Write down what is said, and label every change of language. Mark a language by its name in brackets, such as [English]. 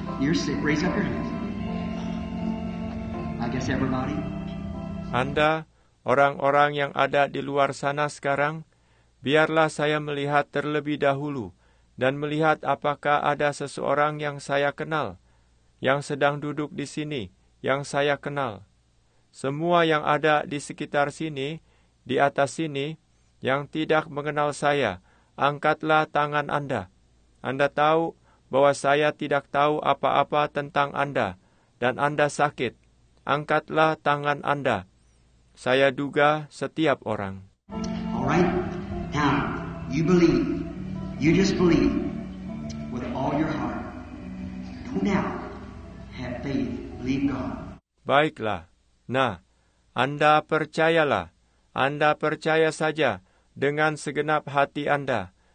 [English] You're sick. Raise up your hands. I guess everybody. [Indonesian] Anda, orang-orang yang ada di luar sana sekarang, biarlah saya melihat terlebih dahulu dan melihat apakah ada seseorang yang saya kenal, yang sedang duduk di sini, yang saya kenal. Semua yang ada di sekitar sini, di atas sini, yang tidak mengenal saya, angkatlah tangan Anda. Anda tahu bahwa saya tidak tahu apa-apa tentang Anda, dan Anda sakit. Angkatlah tangan Anda. Saya duga setiap orang. [English] All right. Now, you believe. You just believe with all your heart. No doubt. Have faith. Believe God. [Indonesian] Baiklah. Nah, Anda percayalah, Anda percaya saja dengan segenap hati Anda.